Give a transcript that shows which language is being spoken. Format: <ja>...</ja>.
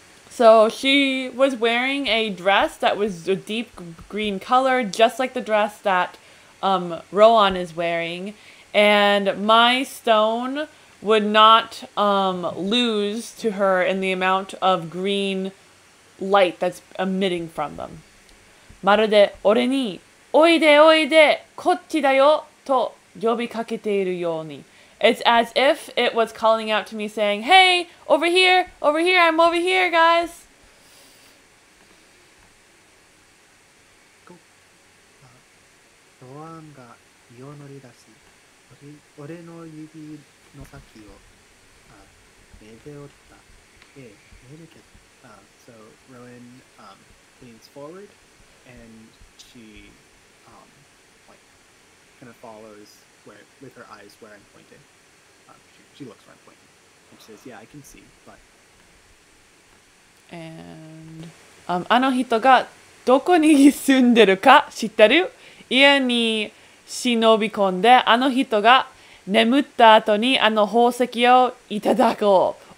<en>So she was wearing a dress that was a deep green color, just like the dress that Rowan is wearing. And my stone would not lose to her in the amount of green light that's emitting from them.</en> <ja>まるで俺に、おいでおいで、こっちだよと呼びかけているように。</ja> <en>It's as if it was calling out to me saying, hey, over here, over here, I'm over here, guys.</en> <ja>Rowan が身を乗り出し、俺の指の先を目で折った。え、見るけど。</ja> <en>So Rowan leans forward and she kind of follows with her eyes where I'm pointed. She looks right pointing. And she says, yeah, I can see, but... And...</en> <ja>あの人がどこに住んでるか知ってる? 家に忍び込んで、あの人が眠った後にあの宝石をいただこう。</ja>